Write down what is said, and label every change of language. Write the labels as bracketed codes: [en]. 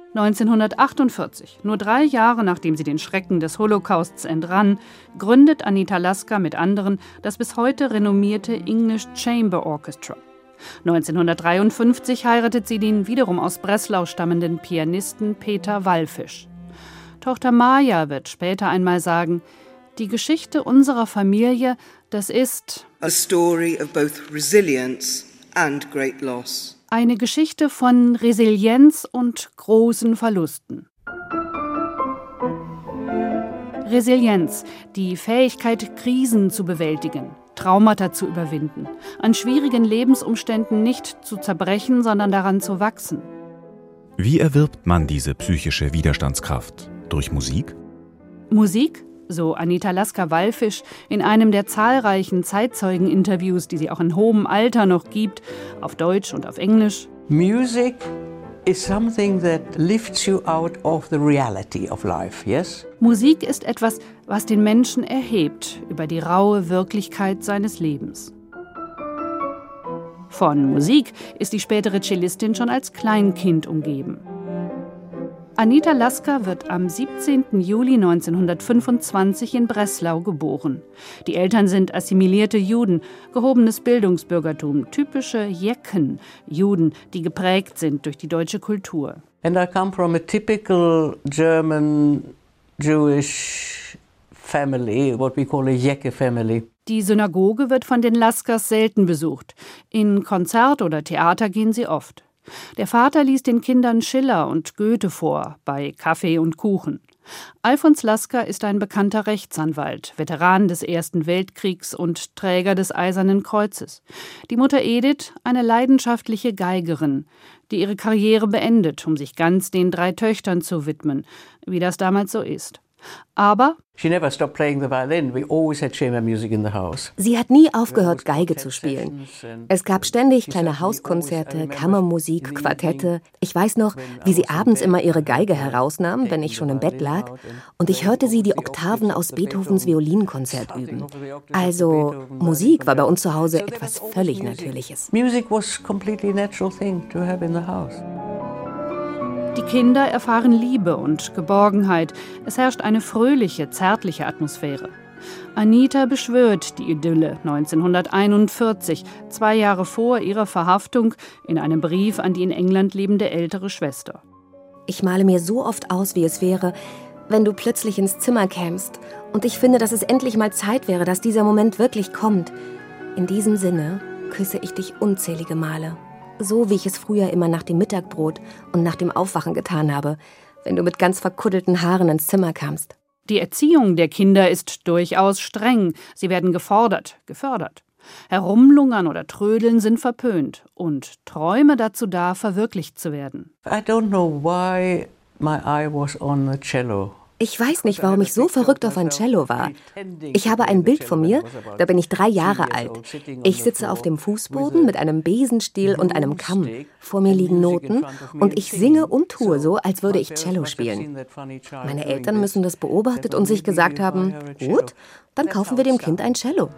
[de] 1948, nur 3 Jahre nachdem sie den Schrecken des Holocausts entrann, gründet Anita Lasker mit anderen das bis heute renommierte English Chamber Orchestra. 1953 heiratet sie den wiederum aus Breslau stammenden Pianisten Peter Wallfisch. Tochter Maja wird später einmal sagen, die Geschichte unserer Familie, das ist [en] a story of both resilience and great loss. [de] Eine Geschichte von Resilienz und großen Verlusten. Resilienz, die Fähigkeit, Krisen zu bewältigen. Traumata zu überwinden, an schwierigen Lebensumständen nicht zu zerbrechen, sondern daran zu wachsen. Wie erwirbt man diese psychische Widerstandskraft? Durch Musik? Musik, so Anita Lasker-Wallfisch in einem der zahlreichen Zeitzeugen-Interviews, die sie auch in hohem Alter noch gibt, auf Deutsch und auf Englisch. [en] Music is something that lifts you out of the reality of life, yes? [de] Musik ist etwas, was den Menschen erhebt über die raue Wirklichkeit seines Lebens. Von Musik ist die spätere Cellistin schon als Kleinkind umgeben. Anita Lasker wird am 17. Juli 1925 in Breslau geboren. Die Eltern sind assimilierte Juden, gehobenes Bildungsbürgertum, typische Jecken, Juden, die geprägt sind durch die deutsche Kultur. [en] And I come from a typical German Jewish family, what we call a Jecke family. [de] Die Synagoge wird von den Laskers selten besucht. In Konzert oder Theater gehen sie oft. Der Vater liest den Kindern Schiller und Goethe vor, bei Kaffee und Kuchen. Alfons Lasker ist ein bekannter Rechtsanwalt, Veteran des Ersten Weltkriegs und Träger des Eisernen Kreuzes. Die Mutter Edith, eine leidenschaftliche Geigerin, die ihre Karriere beendet, um sich ganz den drei Töchtern zu widmen, wie das damals so ist. Aber [en] she never stopped playing the violin. We always had chamber music in the house. [de] Sie hat nie aufgehört, Geige zu spielen. Es gab ständig kleine Hauskonzerte, Kammermusik, Quartette. Ich weiß noch, wie sie abends immer ihre Geige herausnahm, wenn ich schon im Bett lag, und ich hörte sie die Oktaven aus Beethovens Violinkonzert üben. Also Musik war bei uns zu Hause etwas völlig Natürliches. [en] Music was completely natural thing to have in the house. [de] Die Kinder erfahren Liebe und Geborgenheit. Es herrscht eine fröhliche, zärtliche Atmosphäre. Anita beschwört die Idylle 1941, zwei Jahre vor ihrer Verhaftung, in einem Brief an die in England lebende ältere Schwester. Ich male mir so oft aus, wie es wäre, wenn du plötzlich ins Zimmer kämst. Und ich finde, dass es endlich mal Zeit wäre, dass dieser Moment wirklich kommt. In diesem Sinne küsse ich dich unzählige Male. So wie ich es früher immer nach dem Mittagbrot und nach dem Aufwachen getan habe, wenn du mit ganz verkuddelten Haaren ins Zimmer kamst. Die Erziehung der Kinder ist durchaus streng. Sie werden gefordert, gefördert. Herumlungern oder Trödeln sind verpönt und Träume dazu da, verwirklicht zu werden. [en] I don't know why my eye was on the cello. [de] Ich weiß nicht, warum ich so verrückt auf ein Cello war. Ich habe ein Bild von mir, da bin ich 3 Jahre alt. Ich sitze auf dem Fußboden mit einem Besenstiel und einem Kamm. Vor mir liegen Noten und ich singe und tue so, als würde ich Cello spielen. Meine Eltern müssen das beobachtet und sich gesagt haben, gut, dann kaufen wir dem Kind ein Cello.